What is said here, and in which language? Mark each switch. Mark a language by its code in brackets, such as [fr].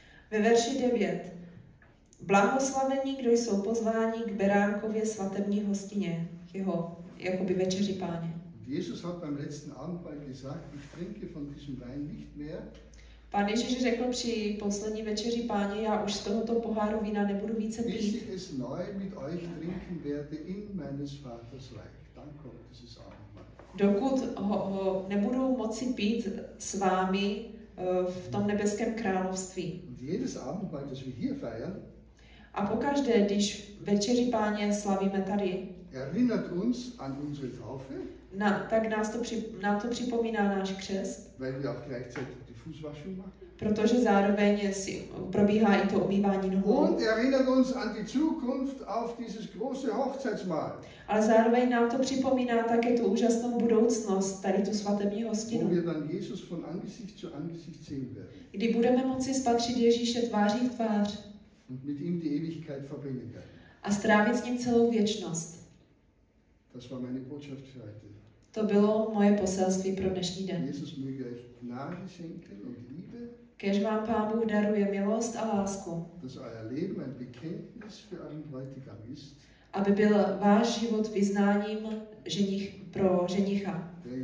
[cs] Ve verši 9. Blahoslavení, kdo jsou pozváni k Beránkově svatební hostině, jeho jakoby večeři Páně. [de] Jesus hat beim letzten Abendmahl gesagt, ich trinke von diesem Wein nicht mehr. [cs] Pán Ježíš řekl při poslední večeři Páně, já už z tohoto poháru vína nebudu více pít. [de] Bis ich es neu mit euch trinken werde in meines Vaters Reich. Dann kommt dieses Abendmahl. [cs] Dokud ho nebudu moci pít s vámi v tom nebeském království. [de] Und jedes Abendmahl, das wir hier feiern, [cs] a pokaždé, když večeři Páně slavíme tady, [de] erinnert uns an unsere Taufe, [cs] tak nám to připomíná náš křest, [de] weil wir auch gleichzeitig die Fußwaschung machen, [cs] protože zároveň probíhá i to umývání nohou. [de] Und erinnert uns an die Zukunft auf dieses große Hochzeitsmahl. [cs] Ale zároveň nám to připomíná také tu úžasnou budoucnost, tady tu svatební hostinu. [de] Wo wir dann Jesus von Angesicht zu Angesicht sehen werden. [cs] Kdy budeme moci spatřit Ježíše tváří v tvář. [de] Und mit ihm die Ewigkeit verbringen werden. [cs] A strávit s ním celou věčnost. [de] Das war meine Botschaft für heute. [cs] To bylo moje poselství pro dnešní den. [de] Jesus möge euch Gnade schenken und Liebe. [cs] Kéž vám Pán Bůh daruje milost a lásku. [de] Dass euer Leben ein Bekenntnis für allen Bräutigam ist. [cs] aby byl váš život vyznáním ženich, pro ženicha.